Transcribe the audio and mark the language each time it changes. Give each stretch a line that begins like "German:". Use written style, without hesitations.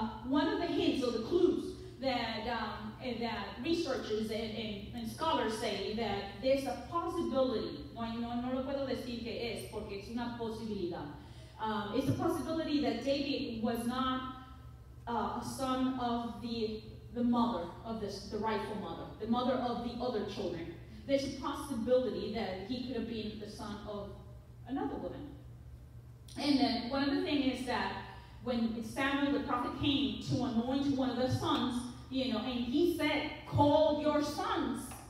English: One of the hints or the clues that researchers and scholars say that there's a possibility.
Spanish: No lo puedo decir que es porque es una posibilidad.
English: It's a possibility that David was not a son of the mother of the rightful mother, the mother of the other children. There's a possibility that he could have been the son of another woman. And then one of the things is that when Samuel the prophet came to anoint one of the sons, and he said, call your sons.